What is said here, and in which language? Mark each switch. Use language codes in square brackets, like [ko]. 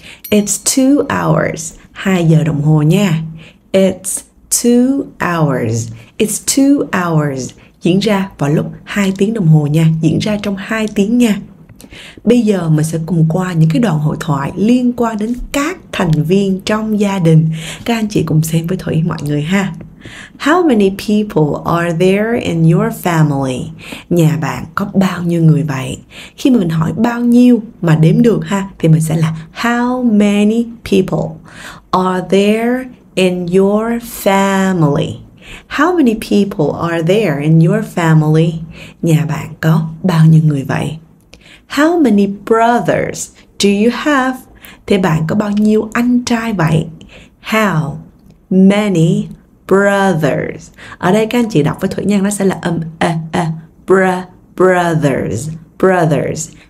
[en] It's 2 hours. [vi] 2 giờ đồng hồ nha. [en] It's 2 hours. It's 2 hours. [vi] Diễn ra vào lúc 2 tiếng đồng hồ nha. Diễn ra trong 2 tiếng nha. Bây giờ mình sẽ cùng qua những cái đoạn hội thoại liên quan đến các thành viên trong gia đình. Các anh chị cùng xem với Thủy mọi người ha. [en] How many people are there in your family? [vi] Nhà bạn có bao nhiêu người vậy? Khi mà mình hỏi bao nhiêu mà đếm được ha, thì mình sẽ là [en] how many people are there in your family? How many people are there in your family? [vi] Nhà bạn có bao nhiêu người vậy? [en] How many brothers do you have? [vi] Thế bạn có bao nhiêu anh trai vậy? [en] How many brothers? [vi] Ở đây các anh chị đọc với Thủy Nhân, nó sẽ là brothers. Brothers.